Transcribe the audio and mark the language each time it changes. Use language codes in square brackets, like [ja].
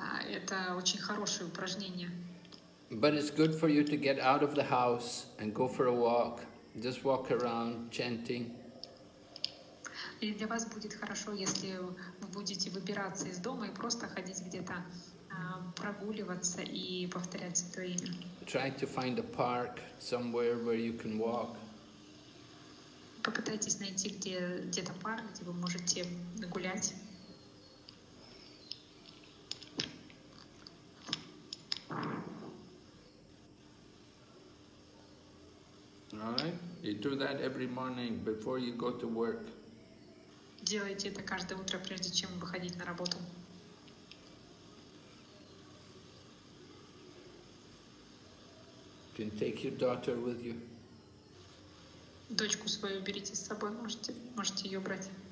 [ru] Это очень хорошее упражнение. [en] But it's good for you to get out of the house and go for a walk. Just walk around, chanting. [ru] И для вас будет хорошо, если вы будете выбираться из дома и просто ходить где-то, прогуливаться и повторять Святое Имя. [en] Try to find a park somewhere where you can walk. [ru] Попытайтесь найти где-то парк, где вы можете гулять. [en] All right. You do that every morning before you go to work. [ru] Делайте это каждое утро, прежде чем выходить на работу. [en] You can take your daughter with you. [ru] Дочку свою берите с собой, можете ее брать.